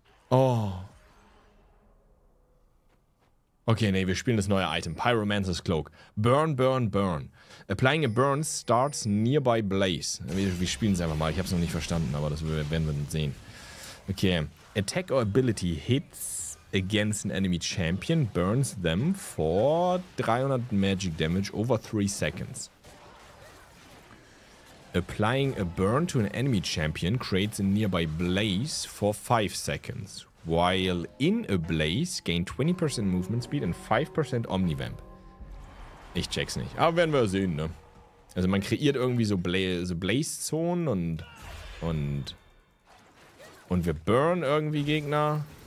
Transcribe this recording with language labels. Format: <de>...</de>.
<de>Oh. Okay, nee, wir spielen das neue Item. Pyromancer's Cloak.</de> <en>Burn, burn, burn. Applying a burn starts nearby Blaze.</en> <de>Wir spielen es einfach mal. Ich habe es noch nicht verstanden, aber das werden wir sehen. Okay.</de> <en>Attack or Ability hits against an enemy champion, burns them for 300 magic damage over 3 seconds. Applying a burn to an enemy champion creates a nearby blaze for 5 seconds. While in a blaze, gain 20% movement speed and 5% omnivamp.</en> <de>Ich check's nicht. Aber werden wir sehen, ne? Also man kreiert irgendwie so Blaze-Zonen und wir burn irgendwie Gegner.</de>